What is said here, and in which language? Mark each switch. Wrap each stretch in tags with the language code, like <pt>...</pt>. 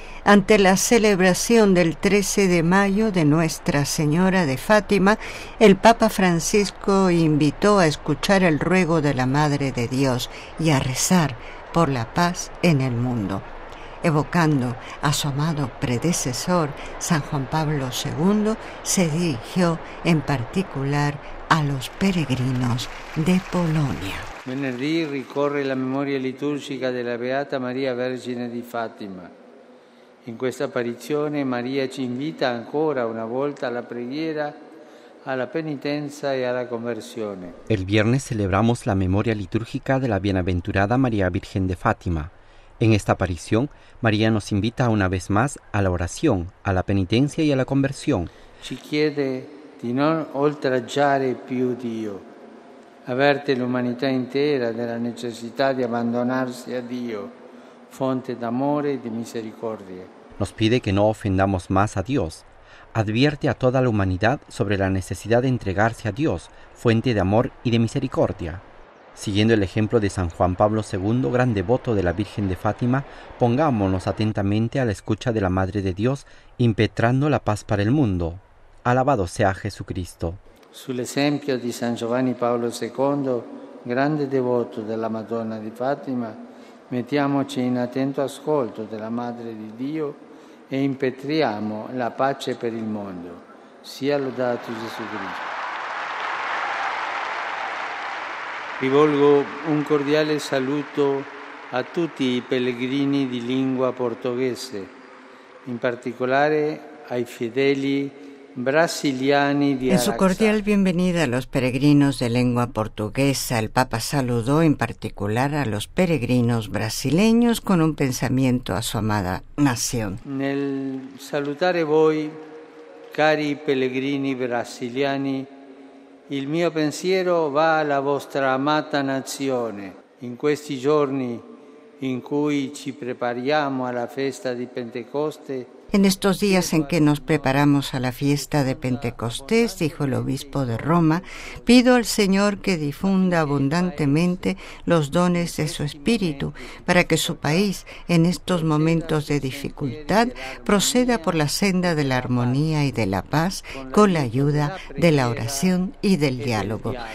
<es>Ante la celebración del 13 de mayo de Nuestra Señora de Fátima, el Papa Francisco invitó a escuchar el ruego de la Madre de Dios y a rezar por la paz en el mundo, evocando a su amado predecesor, San Juan Pablo II, se dirigió en particular a los peregrinos de Polonia.</es> <it>Venerdì ricorre la memoria liturgica della Beata Maria Vergine di Fátima. In questa apparizione Maria ci invita ancora una volta alla preghiera, alla penitenza e alla conversione.</it> <es>El viernes celebramos la memoria litúrgica de la bienaventurada María Virgen de Fátima. En esta aparición, María nos invita una vez más a la oración, a la penitencia y a la conversión.</es> <it>Ci chiede di non oltraggiare più Dio, avverte l'umanità intera della necessità di abbandonarsi a Dio, fonte d'amore e di misericordia.</it> <es>Nos pide que no ofendamos más a Dios. Advierte a toda la humanidad sobre la necesidad de entregarse a Dios, fuente de amor y de misericordia. Siguiendo el ejemplo de San Juan Pablo II, gran devoto de la Virgen de Fátima, pongámonos atentamente a la escucha de la Madre de Dios, impetrando la paz para el mundo. Alabado sea Jesucristo.</es> <it>Sul esempio di San Giovanni Paolo II, grande devoto della Madonna di Fátima, mettiamoci in attento ascolto della Madre di Dio e impetriamo la pace per il mondo. Sia lodato Gesù Cristo. Rivolgo un cordiale saluto a tutti i pellegrini di lingua portoghese, in particolare ai fedeli brasiliani di Araxá.</it> <es>En su cordial bienvenida a los peregrinos de lengua portuguesa, el Papa saludó en particular a los peregrinos brasileños con un pensamiento a su amada nación.</es> <it>Nel salutare voi, cari pellegrini brasiliani, il mio pensiero va alla vostra amata nazione. In questi giorni in cui ci prepariamo alla festa di Pentecoste.</it> <es>En estos días en que nos preparamos a la fiesta de Pentecostés, dijo el obispo de Roma, pido al Señor que difunda abundantemente los dones de su Espíritu para que su país, en estos momentos de dificultad, proceda por la senda de la armonía y de la paz con la ayuda de la oración y del diálogo.</es>